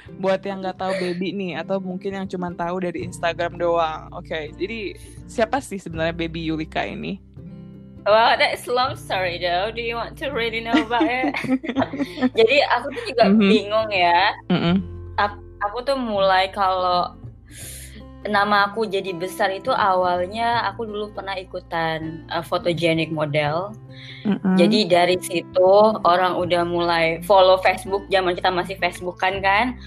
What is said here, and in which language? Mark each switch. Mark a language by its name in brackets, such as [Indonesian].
[Indonesian] Buat yang gak tahu Baby nih, atau mungkin yang cuma tahu dari Instagram doang. Okay, jadi siapa sih sebenarnya Baby Yulika ini? [English] Well, that's long story though. Do you want to really know about it? [Indonesian] Jadi aku tuh juga bingung ya. Aku tuh mulai kalau nama aku jadi besar itu awalnya aku dulu pernah ikutan photogenic model. Jadi dari situ orang udah mulai follow Facebook, zaman kita masih Facebookan kan.